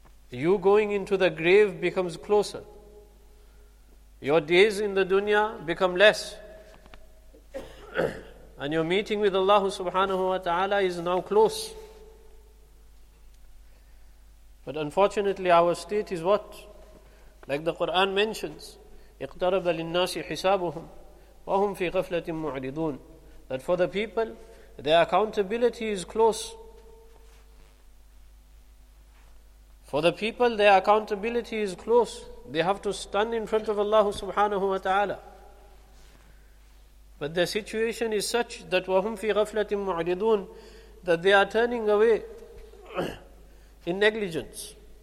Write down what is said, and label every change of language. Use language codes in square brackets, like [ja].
[en] You going into the grave becomes closer. Your days in the dunya become less. And your meeting with Allah subhanahu wa ta'ala is now close. But unfortunately, our state is what? Like the Quran mentions, [ar] اِقْتَرَبَ لِلنَّاسِ حِسَابُهُمْ وَهُمْ فِي غَفْلَةٍ مُعْرِضُونَ. [en] That for the people, their accountability is close. For the people, their accountability is close. They have to stand in front of Allah subhanahu wa ta'ala. But their situation is such that [ar] وَهُمْ فِي غَفْلَةٍ مُعْرِضُونَ, [en] that they are turning away in negligence.